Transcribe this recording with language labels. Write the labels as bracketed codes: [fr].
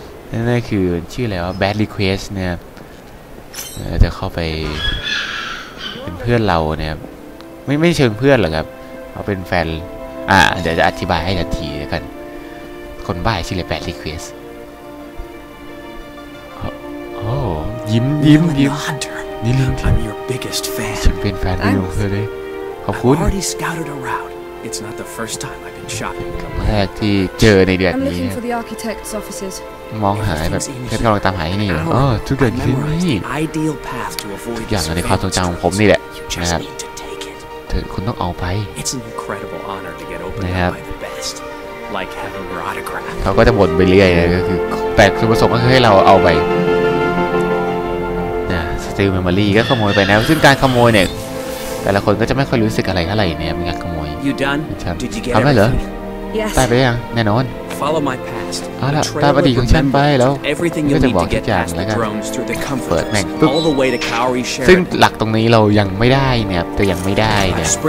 [th] นั่นคือชื่ออะไรวะ Bad Request นะครับจะเข้าไปเป็นเพื่อนเราเนี่ยไม่เชิงเพื่อนหรอกครับเอาเป็นแฟนเดี๋ยวจะอธิบายให้ทันทีกันคนบ้าชื่ออะไร Bad Request โอ้ยิ้มนี่ลิง [en] I'm your biggest fan [th] ฉันเป็นแฟนของเธอเลยขอบคุณ [en] I'm already scouted aroundIt's not the first time I've been shopping. [th] แรกที่เจอในเดือนนี้ [en] I'm looking for the architect's offices. [th] มองหาแบบเพื่อนกำลังตามหาที่นี่อ๋อทุกอย่างที่นี่ [en] ideal path to avoid [th] ทุกอย่างในความทรงจำของผมนี่แหละนะครับเธอคุณต้องเอาไป [en] It's an incredible honor to get opened by the best, like having your autograph. [th] เขาก็จะบ่นไปเรื่อยนะก็คือแต่คือประสบก็คือให้เราเอาไปนะสตีลเมมโมรี่ก็ขโมยไปแล้วซึ่งการขโมยเนี่ยแต่ละคนก็จะไม่ค่อยรู้สึกอะไรเท่าไหร่เนี่ยมันการขโมยทำได้เหรอได้ ไปยังแน่นอนเอาล่ะตามอดีตของฉันไปแล้วก็จะบอกทุกอย่างแล้วกันเปิดแม่งปุ๊บซึ่งหลักตรงนี้เรายังไม่ได้เนี่ยแต่ยังไม่ได้เน